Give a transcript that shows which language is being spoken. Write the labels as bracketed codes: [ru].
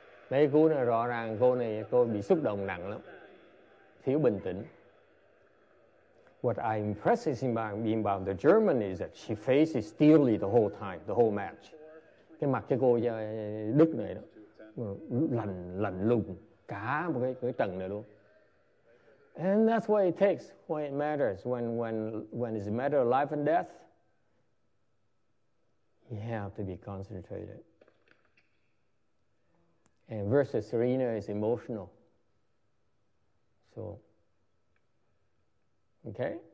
[vi] Mấy cú này rõ ràng cô này cô bị xúc động nặng lắm, thiếu bình tĩnh. [en] What I'm impressed about the German is that she faces steely the whole time, the whole match. [vi] Cái mặt cái cô Đức này đó, lạnh lùng cả một cái trận này luôn. [en] And that's what it takes, why it matters when it's a matter of life and death. You have to be concentrated. And versus Serena is emotional. So, okay?